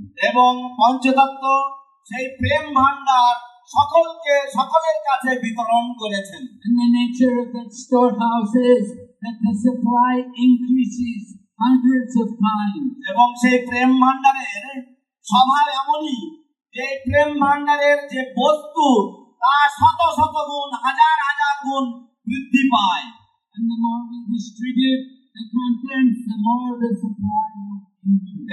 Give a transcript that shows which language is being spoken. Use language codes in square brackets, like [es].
[bn] এবং পঞ্চতত্ত্ব সেই প্রেম ভান্ডার সকলকে সকলের কাছে বিতরণ করেছেন. [en] In the nature of that storehouse is that the supply increases hundreds of times. [bn] এবং সেই প্রেম ভান্ডারের স্বভাব এমনই যে প্রেম ভান্ডারের যে বস্তু তা শত শত গুণ হাজার হাজার গুণ বৃদ্ধি পায়. [en] And the more we distribute the contents, the more the supply will increase.